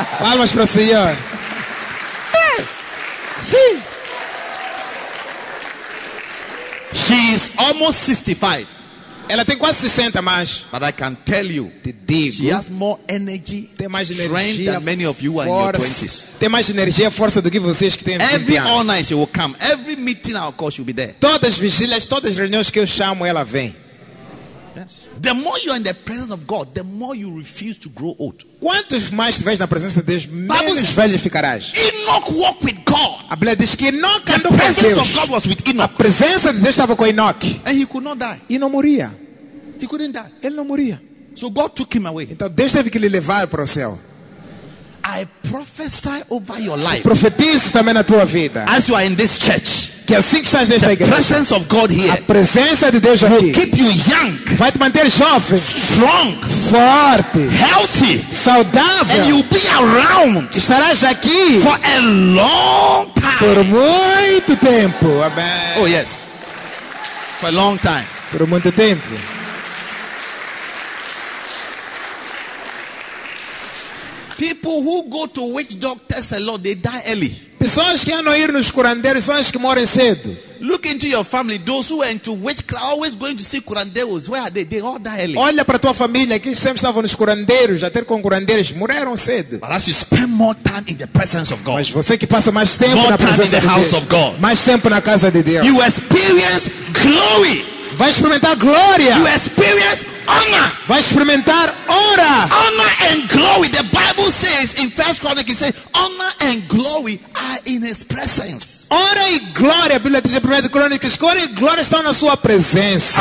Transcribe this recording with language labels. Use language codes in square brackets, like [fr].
[pt] Palmas para o Senhor. [en] Yes. [pt] Sim. [en] She is almost 65. [pt] Ela tem quase 60 mais. [en] But I can tell you, she has more energy, [pt] tem mais energia, [en] than many of you are in your 20s. [pt] Tem mais energia, força do que vocês que têm 20 [en] Every [pt] anos. [en] All night she will come. Every meeting I'll call, she'll be there. [pt] Todas as vigílias, todas as reuniões que eu chamo, ela vem. [en] Yes. The more you are in the presence of God, the more you refuse to grow old. [pt] Quanto mais estiveres na presença de Deus, menos velho ficarás. [en] Enoch walked with God. [pt] A Bíblia diz que Enoch andou com Deus. [en] The presence of God was with Enoch. [pt] A presença de Deus estava com Enoch. [en] And he could not die. [pt] E não morria. [en] He couldn't die. [pt] Ele não morria. [en] So God took him away. [pt] Então Deus teve que lhe levar para o céu. [en] I prophesy over your life. [pt] Profetizo também na tua vida. [en] As you are in this church. [pt] Que assim que estás nesta [en] the [pt] igreja, [en] presence of God here, [pt] a presença de Deus aqui, [en] will keep you young, [pt] vai te manter jovem, [en] strong, [pt] forte, [en] healthy, [pt] saudável, [en] and you'll be around, [pt] estarás aqui, [en] for a long time, [pt] por muito tempo, amém. [en] Oh yes, for a long time, [pt] por muito tempo. [en] People who go to witch doctors a lot, they die early. [pt] Pessoas que andam a ir nos curandeiros são as que moram cedo. [en] Look into your family. Those who are into witchcraft are always going to see curandeiros. Where are they? They all die early. [pt] Olha para tua família que sempre estavam nos curandeiros, até com curandeiros, morreram cedo. [en] But as you spend more time in the presence of God. [pt] Mas você que passa mais tempo na presença [en] in the house of God. [pt] Mais tempo na casa de Deus. [en] You experience glory. [pt] Vai experimentar glória. [en] You experience honor. [pt] Vai experimentar honra. [en] Honor and glory. The Bible says in 1 Chronicles, it says, honor and glory are in his presence. [pt] Honra e glória. A Bíblia diz em 1 Chronicles, honra e glória estão na sua presença.